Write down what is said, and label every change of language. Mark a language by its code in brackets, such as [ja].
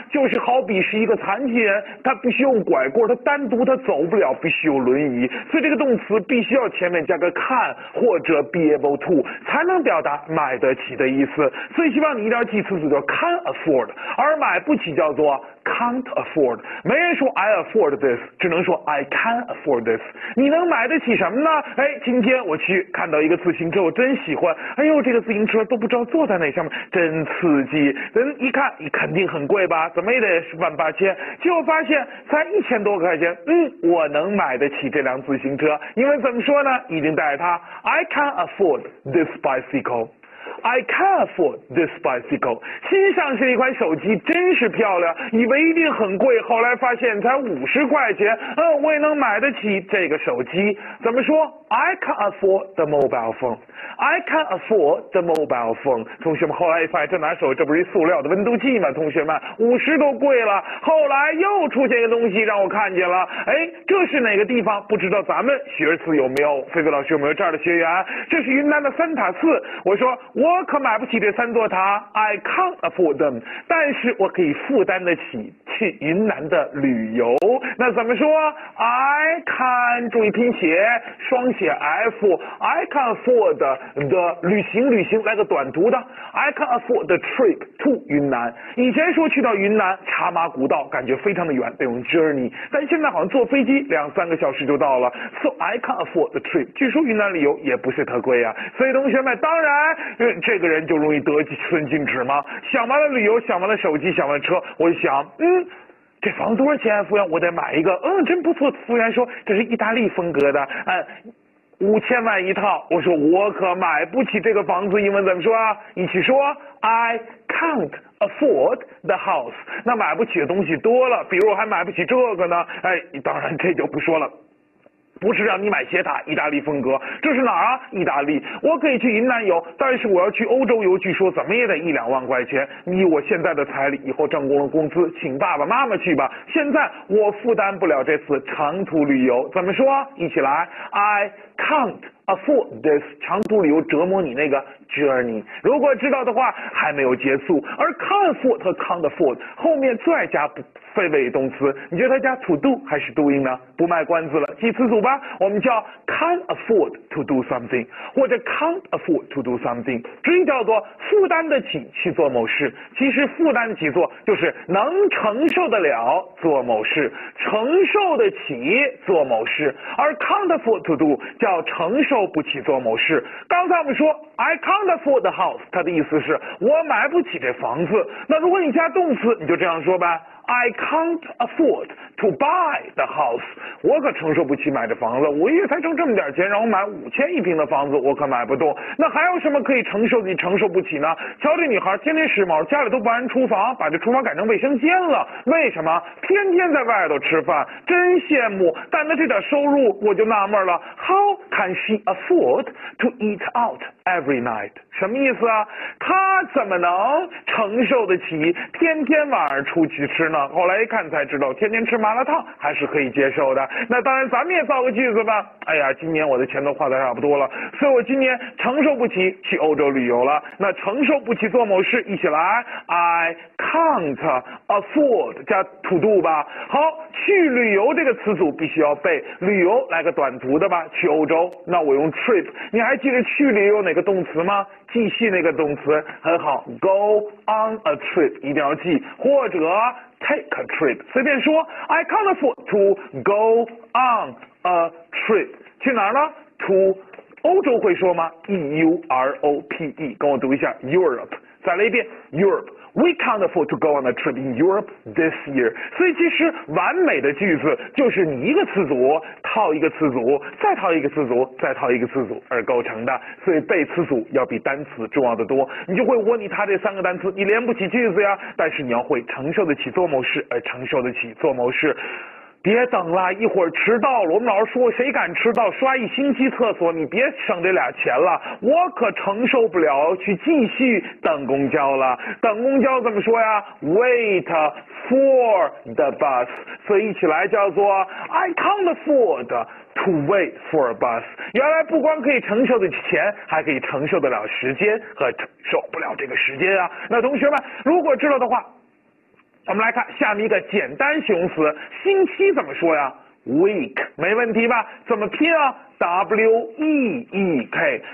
[zh] 就是好比是一个残疾人，他必须用拐棍，他单独他走不了，必须有轮椅，所以这个动词必须要前面加个 can 或者 [en] be able to [zh] 才能表达买得起的意思。所以希望你一定要记词组叫 [en] can afford， [zh] 而买不起叫做 [en] can't afford。 [zh] 没人说 [en] I afford this， [zh] 只能说 [en] I can afford this。 [zh] 你能买得起什么呢？哎，今天我去看到一个自行车，我真喜欢，哎呦，这个自行车都不知道坐在哪上面，真刺激。人一看你肯定很贵吧，怎么也得万八千，结果发现才1000多块钱，嗯，我能买得起这辆自行车。因为怎么说呢，已经带着它 [en] I can afford this bicycleI can afford this bicycle。 [zh] 新上市一款手机真是漂亮，以为一定很贵，后来发现才50块钱，我也能买得起这个手机。怎么说？ [en] I can't afford the mobile phone. I can't afford the mobile phone. [zh] 同学们后来一发现，这拿手这不是塑料的温度计吗？同学们，50都贵了。后来又出现一个东西让我看见了，哎，这是哪个地方？不知道咱们学次有没有？菲菲老师有没有这儿的学员？这是云南的三塔寺。我说我可买不起这三座塔 ， [en] I can't afford them。 [zh] 但是我可以负担得起去云南的旅游。那怎么说 ？ [en] I can， [zh] 注意拼写，双。写 [en] F， I can afford the [zh] 旅行来个短读的， [en] I can afford the trip to 云南。 [zh] 以前说去到云南茶马古道感觉非常的远，得用 journey， 但现在好像坐飞机两三个小时就到了， [en] so I can afford the trip。 [zh] 据说云南旅游也不是特贵啊，所以同学们，当然这个人就容易得寸进尺吗？想完了旅游，想完了手机，想完了车，我就想这房子多少钱啊，服务员？我得买一个。嗯，真不错。服务员说这是意大利风格的，5000万一套。我说我可买不起这个房子，英文怎么说啊？一起说 [en] ，I can't afford the house。 [zh] 那买不起的东西多了，比如我还买不起这个呢。哎，当然这就不说了。不是让你买斜塔，意大利风格，这是哪儿啊？意大利。我可以去云南游，但是我要去欧洲游，据说怎么也得1-2万块钱。以我现在的财力，以后挣够了工资，请爸爸妈妈去吧。现在我负担不了这次长途旅游，怎么说？一起来 ， [en] I can't afford this [zh] 长途旅游折磨你那个 journey。如果知道的话，还没有结束。而 [en] can't afford [zh] 和 can't afford 后面最爱加废尾动词，你觉得它加 [en] to do [zh] 还是 doing 呢？不卖关子了，记词组吧。 [en] 我们叫 can't afford to do something， [zh] 或者 [en] can't afford to do something， [zh] 这叫做负担得起去做某事。其实负担起做就是能承受得了做某事，承受得起做某事。而 [en] can't afford to do [zh] 叫承受不起做某事。刚才我们说 [en] I can't afford the house， [zh] 它的意思是我买不起这房子。那如果你加动词，你就这样说吧。 [en] I can't afford to buy the house， [zh] 我可承受不起买这房子，我一月才挣这么点钱，让我买5000一平的房子，我可买不动。那还有什么可以承受你承受不起呢？瞧这女孩天天时髦，家里都不安厨房，把这厨房改成卫生间了，为什么？天天在外头吃饭，真羡慕。但她这点收入我就纳闷了， [en] How can she afford to eat out every night？ [zh] 什么意思啊？他怎么能承受得起天天晚上出去吃呢？后来一看才知道，天天吃麻辣烫还是可以接受的。那当然咱们也造个句子吧。哎呀，今年我的钱都花得差不多了，所以我今年承受不起去欧洲旅游了。那承受不起做某事，一起来 [en] I can't afford [zh] 加 to do 吧。好，去旅游这个词组必须要背，旅游来个短读的吧。去欧洲，那我用 trip。你还记得去旅游哪个动词吗？继续那个动词，很好， [en] go on a trip [zh] 一定要记，或者 [en] take a trip [zh] 随便说。 [en] I can't afford to go on a trip。 [zh] 去哪儿呢？to 欧洲会说吗？ EUROPE， 跟我读一下 Europe。再来一遍 Europe。 [en] We can't afford to go on a trip in Europe this year。 [zh] 所以其实完美的句子就是你一个词组套一个词组再套一个词组再套一个词组而构成的。所以背词组要比单词重要的多。你就会问你他这三个单词你连不起句子呀，但是你要会承受得起做某事，而承受得起做某事。别等了，一会儿迟到了，我们老师说谁敢迟到刷一星期厕所，你别省这俩钱了，我可承受不了去继续等公交了。等公交怎么说呀？ [en] Wait for the bus。 [zh] 所以一起来叫做 [en] I can't afford to wait for a bus。 [zh] 原来不光可以承受得起钱，还可以承受得了时间和承受不了这个时间啊。那同学们如果知道的话，我们来看下面一个简单形容词，星期怎么说呀？ week， 没问题吧？怎么拼啊？W-E-E-K。